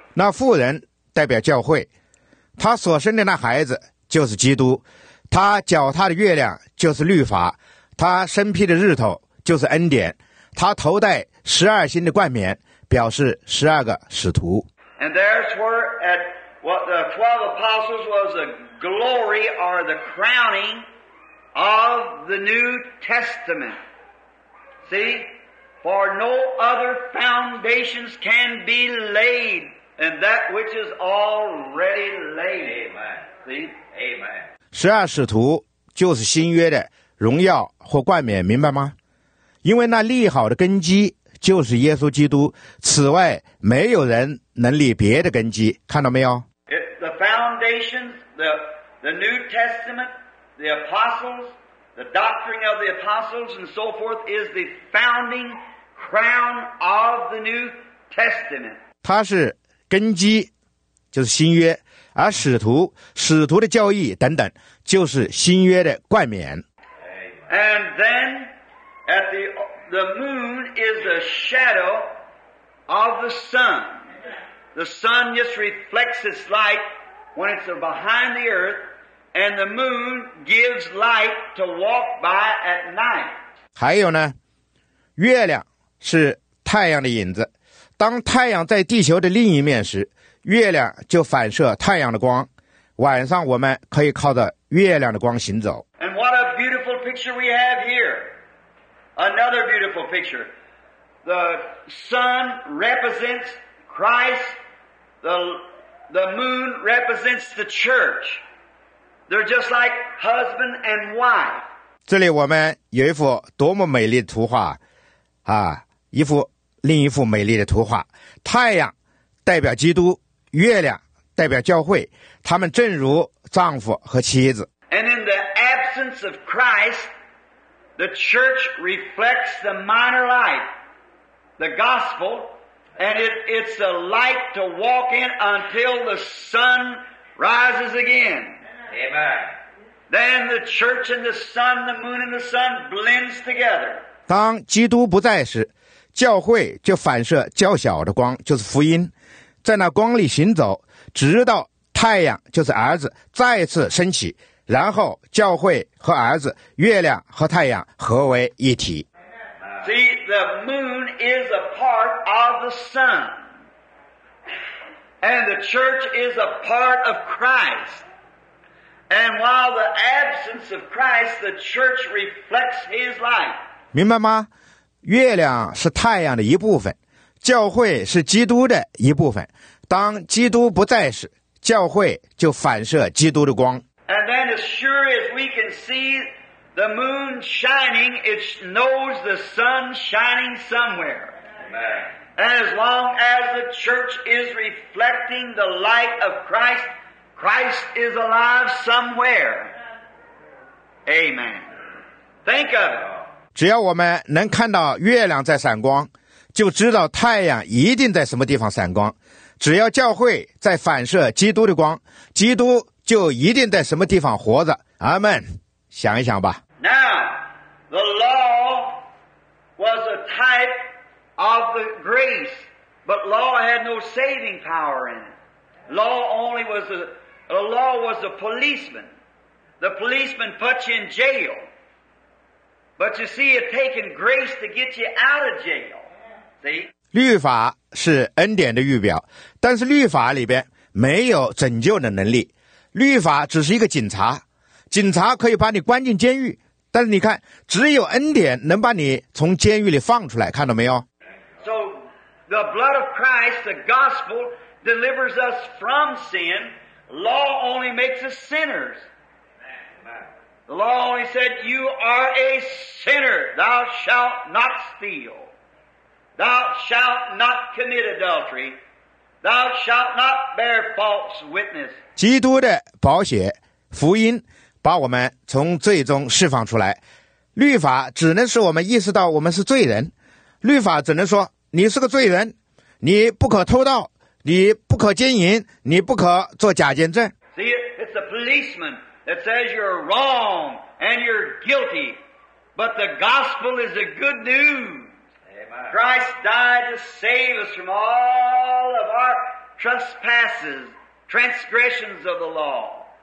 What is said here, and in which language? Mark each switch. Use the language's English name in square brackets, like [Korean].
[Chinese] 那妇人代表教会，她所生的那孩子就是基督，她脚踏的月亮就是律法，她身披的日头就是恩典，她头戴十二星的冠冕，表示十二个使徒。 [English] And there's where at what the 12 apostles was the glory or the crowning of the New Testament. See? For no other foundations can be laid than that which is already laid. Amen. See? Amen. [Chinese] 十二使徒就是新约的荣耀或冠冕，明白吗？因为那立好的根基就是耶稣基督，此外没有人能立别的根基，看到没有？ [English] It's the foundations, the New Testament, the apostles, the doctrine of the apostles and so forth is the founding crown of the New Testament. [Chinese] 它是根基，就是新约，而使徒的教义等等，就是新约的冠冕。 [English] And then at the moon is a shadow of the sun. The sun just reflects its light when it's behind the earth, and the moon gives light to walk by at night. [Chinese] 还有呢，月亮是太阳的影子，当太阳在地球的另一面时，月亮就反射太阳的光，晚上我们可以靠着月亮的光行走。 [English] And what a beautiful picture we have here. Another beautiful picture. The sun represents Christ. The moon represents the church. They're just like husband and wife. [Chinese] 这里我们有一幅多么美丽的图画啊，一幅另一幅美丽的图画，太阳代表基督，月亮代表教会，他们正如丈夫和妻子。 [English] And in the absence of Christ, the church reflects the minor light, the gospel, and it's a light to walk in until the sun rises again. Amen. Then the church and the sun, the moon and the sun blends together. [Chinese] 当基督不在时，教会就反射较小的光，就是福音，在那光里行走，直到太阳就是儿子再次升起，然后教会和儿子、月亮和太阳合为一体。 [English] See, the moon is a part of the sun. And the church is a part of Christ. And while the absence of Christ, the church reflects his light. [Chinese] 明白吗？月亮是太阳的一部分，教会是基督的一部分。当基督不在时，教会就反射基督的光。 [English] And then as sure as we can see the moon shining, it knows the sun shining somewhere. And as long as the church is reflecting the light of Christ, Christ is alive somewhere. Amen. Think of it. [Chinese] 只要我们能看到月亮在闪光，就知道太阳一定在什么地方闪光。只要教会在反射基督的光，基督就一定在什么地方活着。阿们，想一想吧。 [English] Now, the law was a type of the grace, but law had no saving power in it. Law only was a law was a policeman. The policeman put you in jail. But you see, it taken grace to get you out of jail. See? [Chinese] 律法是恩典的预表，但是律法里边没有拯救的能力。律法只是一个警察，警察可以把你关进监狱，但是你看，只有恩典能把你从监狱里放出来，看到没有？ [English] So, the blood of Christ, the gospel, delivers us from sin. Law only makes us sinners. The law only said, you are a sinner, thou shalt not steal. Thou shalt not commit adultery. Thou shalt not bear false witness. [Chinese] 基督的宝血福音把我们从罪中释放出来，律法只能使我们意识到我们是罪人，律法只能说你是个罪人，你不可偷盗，你不可奸淫，你不可做假见证。 [English] See, it's a policeman that says you're wrong and you're guilty, but the gospel is a good news. Christ died to save us from all of our trespasses, transgressions of the law.